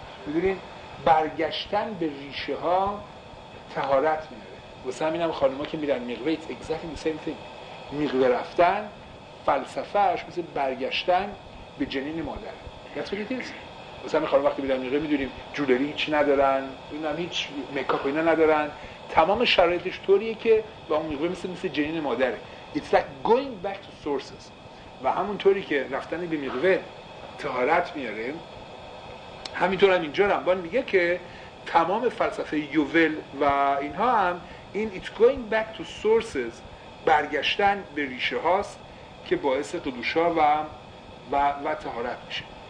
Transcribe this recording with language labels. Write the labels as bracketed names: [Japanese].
[Persian] میدونین برگشتن به ریشه ها طهارت میاره، واسه همین هم خانم ها که میرن مقوه [English] it's exactly the same thing. [Persian] مقوه رفتن فلسفهش مثل برگشتن به جنین مادر، [English] that's what it is. [Persian] واسه همین خانم وقتی میرن مقوه میدونیم جولری هیچ ندارن، این هم هیچ میکاپ اینا ندارن، تمام شرایطش طوریه که با اون مقوه مثل جنین مادره. [English] It's like going back to sources. [Persian] و همونطوری که رفتن به مقوه طهارت میاره، همینطور هم اینجا رمبان میگه که تمام فلسفه یوول و اینها هم این [English] It's going back to sources، [Persian] برگشتن به ریشه هاست که باعث قدوشا و طهارت میشه.